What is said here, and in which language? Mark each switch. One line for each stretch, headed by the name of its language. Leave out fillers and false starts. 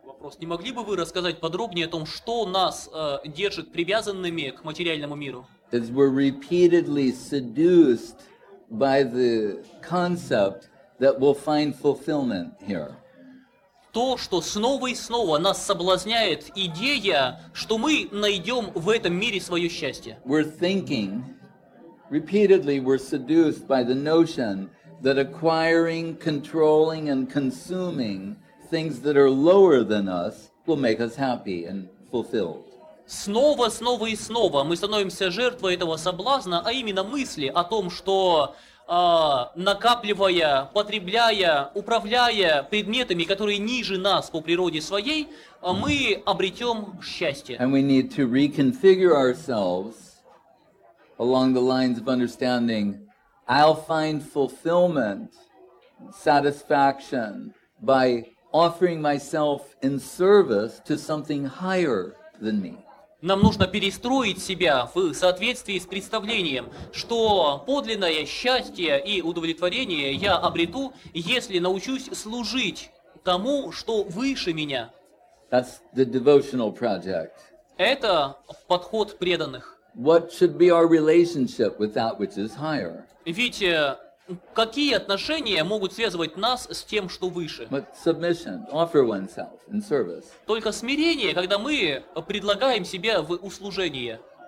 Russian: Просто не могли бы вы рассказать подробнее о том, что нас держит привязанными к материальному миру?
English: As we're repeatedly seduced by the concept that we'll find fulfillment here.
Russian: То, что снова и снова нас соблазняет идея, что мы найдем в этом мире свое счастье.
English: We're thinking, repeatedly we're seduced by the notion that acquiring, controlling and consuming things that are lower than us will make us happy and fulfilled.
Russian: Снова, снова и снова мы становимся жертвой этого соблазна, а именно мысли о том, что накапливая, потребляя, управляя предметами, которые ниже нас по природе своей, мы обретем счастье.
English: And we need to reconfigure ourselves along the lines of understanding I'll find fulfillment, satisfaction by offering myself in service to something higher than me.
Russian: Нам нужно перестроить себя в соответствии с представлением, что подлинное счастье и удовлетворение я обрету, если научусь служить тому, что выше меня.
English: That's the devotional project.
Russian: Это подход преданных.
English: What should be our relationship with that which is higher?
Russian: Ведь какие отношения могут связывать нас с тем, что выше?
English: Submission, offer oneself in service.
Russian: Только смирение, когда мы предлагаем себя в услужение.